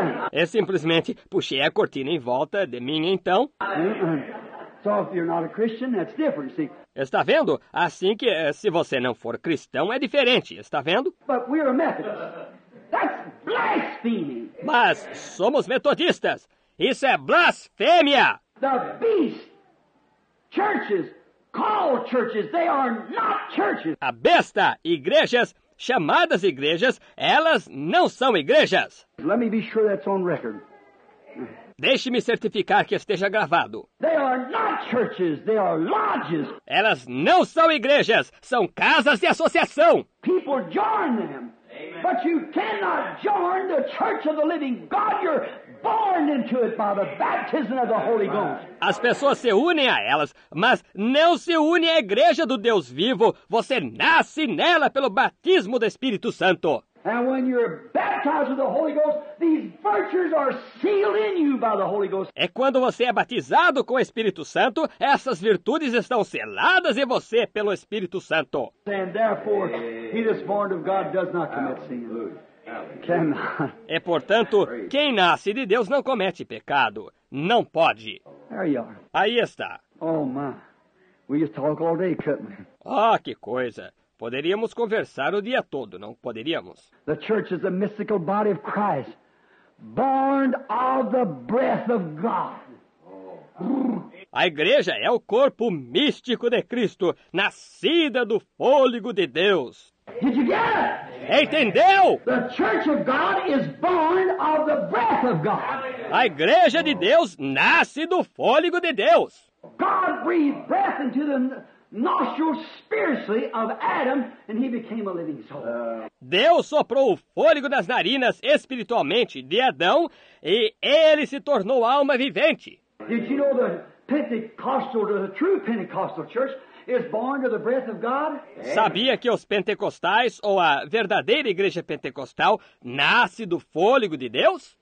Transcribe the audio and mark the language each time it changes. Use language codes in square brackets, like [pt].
[pt] E simplesmente puxei a cortina em volta de mim, então. [en] So if you're not a Christian, that's different, see? [pt] Está vendo? Assim que se você não for cristão, é diferente. Está vendo? [en] But we're a Methodist. That's blasphemy. [pt] Mas somos metodistas. Isso é blasfêmia. [en] The beast churches. Call churches, they are not churches. [pt] A besta, igrejas, chamadas igrejas, elas não são igrejas. [en] Let me be sure that's on record. [pt] Deixe-me certificar que esteja gravado. [en] They are not churches, they are lodges. [pt] Elas não são igrejas, são casas de associação. [en] People join them. Amen. But you cannot join the church of the living God. You're born into it by the baptism of the Holy Ghost. [pt] As pessoas se unem a elas, mas não se une à igreja do Deus vivo. Você nasce nela pelo batismo do Espírito Santo. [en] And when you're baptized with the Holy Ghost, these virtues are sealed in you by the Holy Ghost. [pt] É quando você é batizado com o Espírito Santo, essas virtudes estão seladas em você pelo Espírito Santo. [en] And therefore, he that's born of God does not commit sin. Cannot. [pt] E portanto, quem nasce de Deus não comete pecado. Não pode. [en] There you are. [pt] Aí está. [en] Oh, my. We just talk all day, couldn't we? [pt] Ah, que coisa. Poderíamos conversar o dia todo, não poderíamos? [en] The church is a mystical body of Christ, born of the breath of God. [pt] A igreja é o corpo místico de Cristo, nascida do fôlego de Deus. [en] Did you get it? [pt] Entendeu? [en] The church of God is born of the breath of God. [pt] A igreja de Deus nasce do fôlego de Deus. [en] God breathed breath into the nostrils spiritually of Adam and he became a living soul. [pt] Deus soprou o fôlego nas narinas espiritualmente de Adão e ele se tornou alma vivente. [en] Did you know the Pentecostal, the true Pentecostal church, is born to the breath of God. [pt] Sabia que os pentecostais, ou a verdadeira igreja pentecostal, nasce do fôlego de Deus?